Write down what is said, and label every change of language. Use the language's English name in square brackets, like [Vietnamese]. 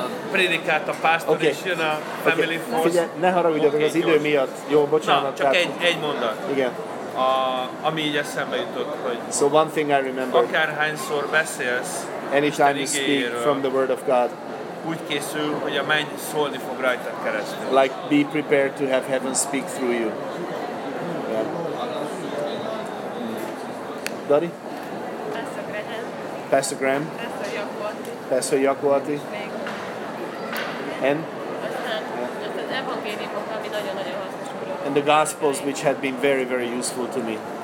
[Hungarian] Prédikált a pásztor, okay. És jön a family okay. force. Figyelj, ne haragudjatok az idő miatt. Jó, bocsánat. Na, csak egy mondat. Igen. Ami így eszembe jutott, hogy [English] so one thing I remember. [Hungarian] Akárhányszor beszélsz, [English] anytime you speak from the word of God, [Hungarian] úgy készül, hogy a menny szólni fog rajtad keresztül. [English] Like be prepared to have heaven speak through you. Yeah. Dari? Pastor Graham. Pastor Graham. Pastor Jakuati. Pastor Jakuati. And? [Hungarian] Az evangéliumok, ami nagyon-nagyon hasznos. [English] And the Gospels, which had been very, very useful to me.